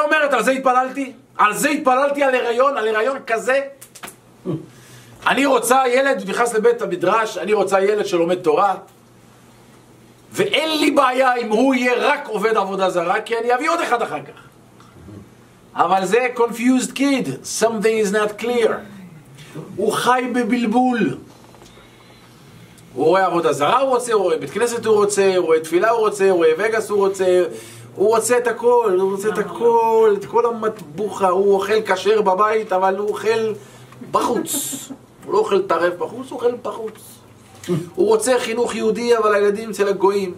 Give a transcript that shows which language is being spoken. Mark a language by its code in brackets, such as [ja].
[he] אומרת, על זה התפללתי? על זה התפללתי, על הריון, על הריון כזה. אני רוצה ילד, נכנס לבית המדרש, אני רוצה ילד שלומד תורה. ואין לי בעיה אם הוא יהיה רק עובד עבודה זרה, כי אני אביא עוד אחד אחר כך. אבל זה [en] confused kid, something is not clear. [he] הוא חי בבלבול. הוא רואה עבודה זרה הוא רוצה, הוא רואה בית כנסת הוא רוצה, הוא רואה תפילה הוא רוצה, הוא רואה וגאס הוא רוצה, הוא רוצה את הכל, הוא רוצה את הכל, את כל המטבוחה. הוא אוכל כשר בבית, אבל הוא אוכל בחוץ. הוא לא אוכל טרף בחוץ, הוא אוכל בחוץ. הוא רוצה חינוך יהודי, אבל הילדים אצל הגויים.